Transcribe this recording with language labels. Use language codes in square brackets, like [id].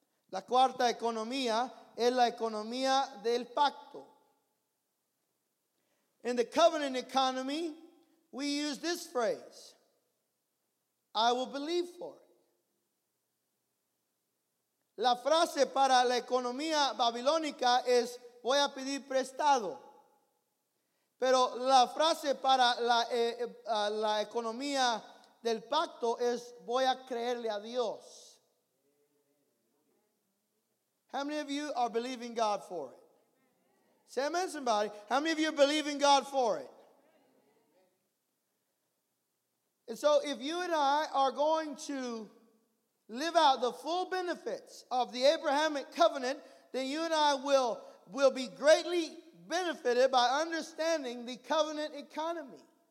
[es] La cuarta economía es la economía del pacto. [en] In the covenant economy, we use this phrase, I will believe for it. [es] La frase para la economía babilónica es, voy a pedir prestado. Pero la frase para la economía del pacto es, voy a creerle a Dios. [en] How many of you are believing God for it? Say amen, somebody. How many of you are believing God for it? And so if you and I are going to live out the full benefits of the Abrahamic covenant, then you and I will be greatly benefited by understanding the covenant economy.